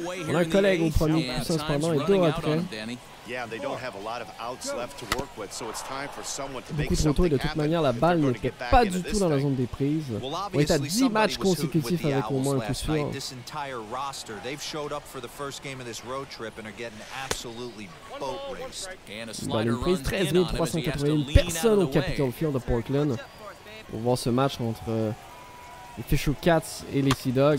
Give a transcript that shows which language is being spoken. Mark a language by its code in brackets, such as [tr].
[fr] On a un collègue au premier coussin, cependant, et 2 retraits. [en] Yeah, they don't have a lot of outs left to work with, so it's time for someone to make something happen. [fr] Et de toute manière, la balle n'était pas du tout dans la zone des prises. On est à 10 matchs consécutifs avec au moins un coup sûr. [en] This entire roster, they've showed up for the first game of this road trip and are getting absolutely boat raced. [fr] Une balle prise, 13 381 personnes au Capitol Field de Portland. On voit ce match entre les Fisher Cats et les Sea Dogs.